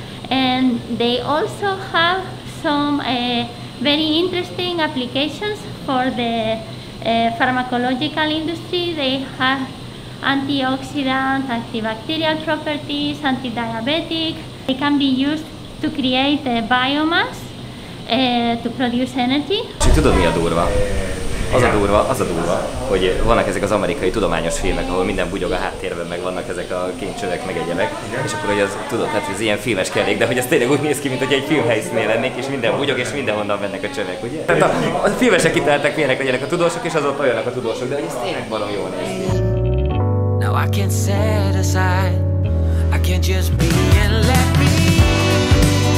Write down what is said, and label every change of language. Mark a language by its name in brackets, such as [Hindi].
[English] And they also have some very interesting applications for the pharmacological industry. They have antioxidant, antibacterial properties, anti-diabetic. They can be used to create biomass, to produce energy. [Hungarian] És tudod, mi a durva? Az a durva, hogy vannak ezek az amerikai tudományos filmek, ahol minden bugyog a háttérben, meg vannak ezek a kéncsövek, meg egyebek. És akkor, hogy az, tudod, hát ez ilyen filmes kellék, de hogy ez tényleg úgy néz ki, mint hogy egy filmhelyszínnél lennék, és minden bugyog, és mindenhonnan mennek a csövek, ugye? Tehát a filmesek kitalálták, milyenek legyenek a tudósok, és azok olyanok a tudósok, de ez tényleg valami jól néz ki. [English] Now I can't set aside, I can't just be and let me.